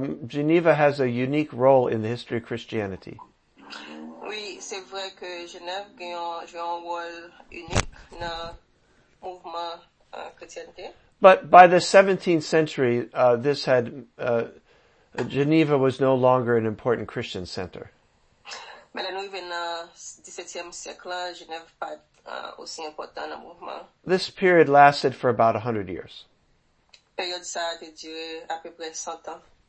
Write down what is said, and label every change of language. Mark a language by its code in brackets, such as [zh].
[en] Geneva has a unique role in the history of Christianity. [fr] Oui, c'est vrai que Genève joue un rôle unique dans le mouvement chrétienté. [en] But by the 17th century, this had Geneva was no longer an important Christian center. [fr] Mais là, nous vivons dans le 17e siècle, Genève n'est pas aussi important dans le mouvement. [en] This period lasted for about 100 years. [fr] Période ça a duré à peu près 100 ans.